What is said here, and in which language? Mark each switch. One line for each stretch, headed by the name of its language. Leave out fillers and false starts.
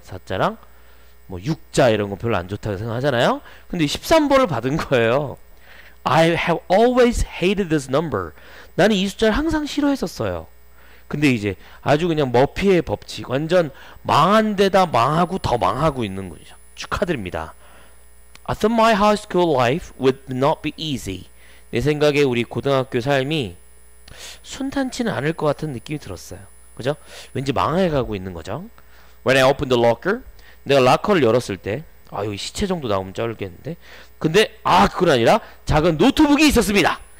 Korean: 4자랑 뭐 6자 이런 거 별로 안 좋다고 생각하잖아요. 근데 13번을 받은 거예요.
English: I have always hated this number.
Korean: 나는 이 숫자를 항상 싫어했었어요. 근데 이제 아주 그냥 머피의 법칙. 완전 망한 데다 망하고 더 망하고 있는 거죠. 축하드립니다.
English: I thought my high school life would not be easy.
Korean: 내 생각에 우리 고등학교 삶이 순탄치는 않을 것 같은 느낌이 들었어요. 그죠? 왠지 망해가고 있는 거죠.
English: When I opened the locker,
Korean: 내가 락커를 열었을 때 여기 시체 정도 나오면 쩔겠는데 근데 그건 아니라 작은 노트북이 있었습니다.